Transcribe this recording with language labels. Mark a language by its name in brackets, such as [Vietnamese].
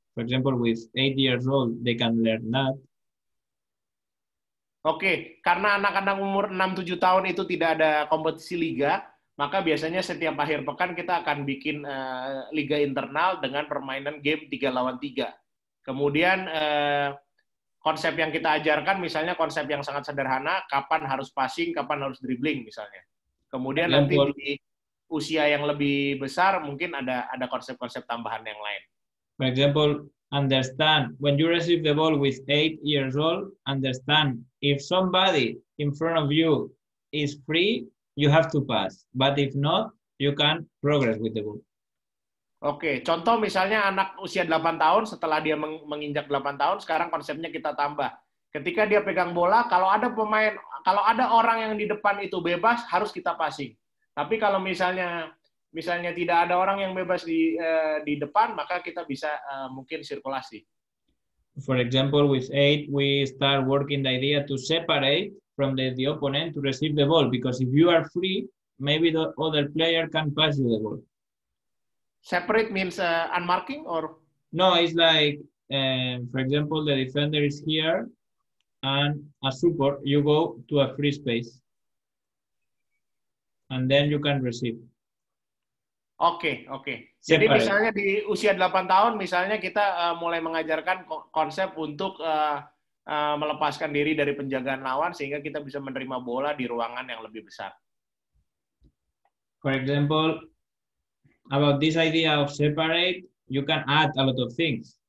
[English] For example, with 8 years old, they can learn that. [Indonesian] Oke, karena anak-anak umur 6-7 tahun itu tidak ada kompetisi liga, maka biasanya setiap akhir pekan kita akan bikin liga internal dengan permainan game 3 lawan 3. Kemudian konsep yang kita ajarkan misalnya konsep yang sangat sederhana, kapan harus passing, kapan harus dribbling misalnya. Kemudian nanti di usia yang lebih besar mungkin ada konsep-konsep tambahan yang lain. [English] For example, understand when you receive the ball with 8 years old, understand if somebody in front of you is free, you have to pass. But if not, you can progress with the ball. Okay. [Indonesian] Contoh misalnya anak usia 8 tahun, setelah dia menginjak 8 tahun, sekarang konsepnya kita tambah. Ketika dia pegang bola, kalau ada orang yang di depan itu bebas, harus kita passing. Tapi kalau misalnya tidak ada orang yang bebas di depan, maka kita bisa mungkin sirkulasi. [English] For example, with 8, we start working the idea to separate from the opponent to receive the ball. Because if you are free, maybe the other player can pass you the ball. Separate means unmarking or? No, it's like, for example, the defender is here and a support, you go to a free space. And then you can receive. Okay. Separate. [Indonesian] Jadi misalnya di usia 8 tahun, misalnya kita mulai mengajarkan konsep untuk melepaskan diri dari penjagaan lawan sehingga kita bisa menerima bola di ruangan yang lebih besar. [English] For example, about this idea of separate, you can add a lot of things.